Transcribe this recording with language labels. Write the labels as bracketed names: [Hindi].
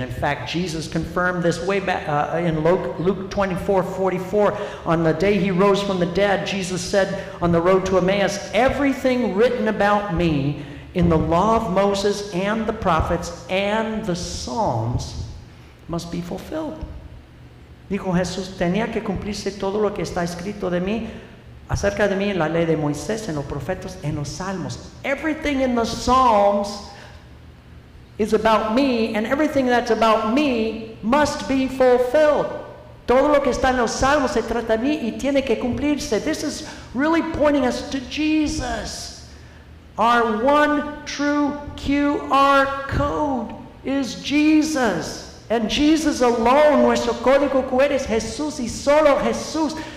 [English] In fact, Jesus confirmed this way back in Luke 24:44. On the day he rose from the dead, Jesus said on the road to Emmaus, "Everything written about me in the law of Moses and the prophets and the Psalms must be fulfilled." [Spanish] Dijo Jesús, tenía que cumplirse todo lo que está escrito de mí, acerca de mí en la ley de Moisés, en los profetas, en los salmos. [English] Everything in the Psalms is about me, and everything that's about me must be fulfilled. [Spanish] Todo lo que está en los salmos se trata de mí y tiene que cumplirse. [English] This is really pointing us to Jesus. Our one true QR code is Jesus. And Jesus alone, [Spanish] nuestro código QR es Jesús y solo Jesús.